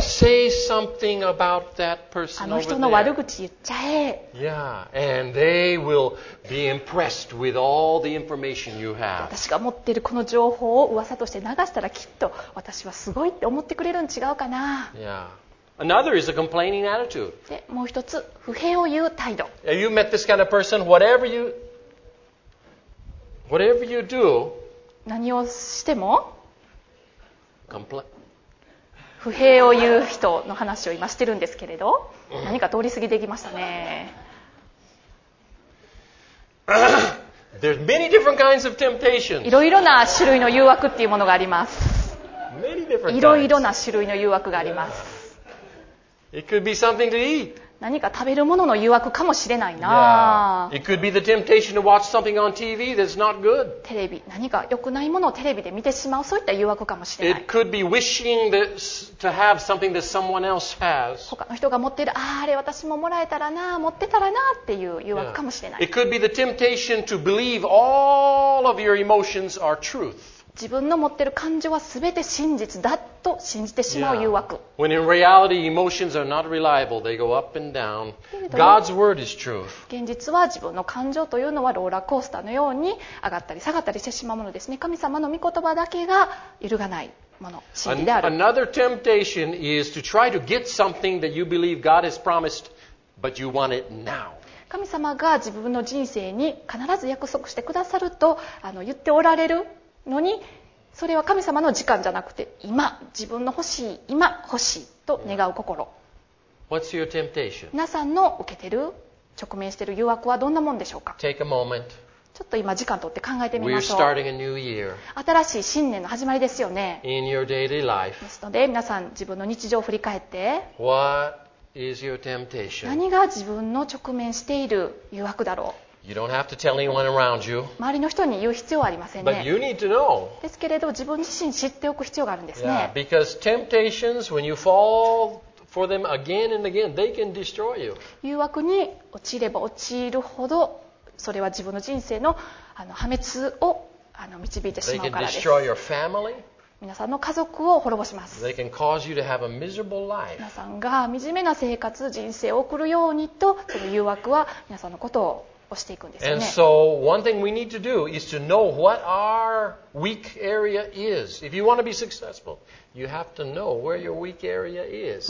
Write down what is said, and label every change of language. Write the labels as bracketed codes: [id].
[en] Say something about that person over there. [ja] あの人の悪口言っちゃえ。 [en] Yeah, and they will be impressed with all the information you have. [ja] 私が持っているこの情報を噂として流したらきっと私はすごいって思ってくれるん違うかな。 [en] Yeah. Another is a complaining attitude. [ja] で、もう一つ不平を言う態度。 [en] Have you met this kind of person? Whatever you do, [ja] 何をしても、 [en] Complain. [ja] 不平を言う人の話を今してるんですけれど、何か通り過ぎてきましたね。 [en] There's many different kinds of temptations. [ja] いろいろな種類の誘惑っていうものがあります。 [en] Many different [ja] kinds. いろいろな種類の誘惑があります。 [en] Yeah. It could be something to eat. [ja] 何か食べるものの誘惑かもしれないな。 [en] Yeah. It could be the temptation to watch something on TV that's not good. [ja] テレビ、何か良くないものをテレビで見てしまう、そういった誘惑かもしれない。 [en] It could be wishing to have something that someone else has. [ja] 他の人が持っている、ああ、あれ私ももらえたらな、持ってたらなっていう誘惑かもしれない。 [en] Yeah. It could be the temptation to believe all of your emotions are truth. [ja] 自分の持ってる感情はすべて真実だと信じてしまう誘惑。 [en] Yeah. When in reality, emotions are not reliable. They go up and down. God's word is truth. [ja] 現実は自分の感情というのはローラーコースターのように上がったり下がったりしてしまうものですね。神様の御言葉だけが揺るがないもの、真理である。 [en] Another temptation is to try to get something that you believe God has promised, but you want it now. [ja] 神様が自分の人生に必ず約束してくださると言っておられる。のにそれは神様の時間じゃなくて今自分の欲しい今欲しいと願う心、yeah. [en] What's your temptation? [ja] 皆さんの受けてる直面してる誘惑はどんなもんでしょうか [en] Take a moment. [ja] ちょっと今時間取って考えてみましょう [en] We're starting a new year. [ja] 新しい新年の始まりですよね [en] In your daily life. [ja] ですので皆さん自分の日常を振り返って [en] What is your temptation? [ja] 何が自分の直面している誘惑だろう [en] You don't have to tell anyone around you. [ja] 周りの人に言う必要はありませんね。 [en] But you need to know. [ja] ですけれど、自分自身知っておく必要があるんですね。 [en] Yeah, because temptations, when you fall for them again and again, they can destroy you. [ja] 誘惑に陥れば陥るほど、それは自分の人生の破滅を導いてしまうからです。 [en] They can destroy your family. [ja] 皆さんの家族を滅ぼします。 [en] They can cause you to have a miserable life. [ja] 皆さんが惨めな生活、人生を送るようにと、その誘惑は皆さんのことを。 [en] And so one thing we need to do is to know what our weak area is. If you want to be successful, you have to know where your weak area is.